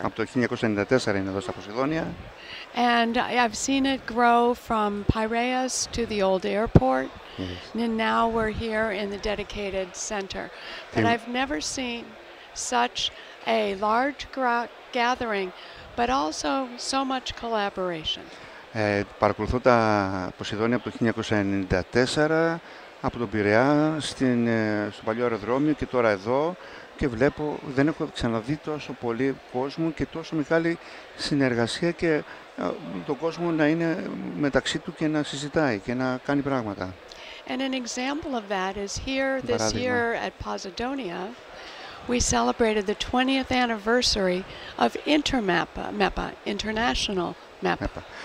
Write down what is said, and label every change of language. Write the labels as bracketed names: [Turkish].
[Greek] Από το 1994 είναι εδώ στα Ποσειδόνια. [English] And I've seen it grow from Piraeus to the old airport. Yes. And now we're here in the dedicated center. But I've never seen such a large gathering, but also so much collaboration. [Greek] Παρακολουθώ τα Ποσειδόνια από το 1994, από τον Πειραιά, στο παλιό αεροδρόμιο και τώρα εδώ, και βλέπω, δεν έχω ξαναδεί τόσο πολύ κόσμο και τόσο μεγάλη συνεργασία και τον κόσμο να είναι μεταξύ του και να συζητάει και να κάνει πράγματα. [English] And an example of that is here this year at Posidonia. We celebrated the 20th anniversary of MEPA, International MEPA.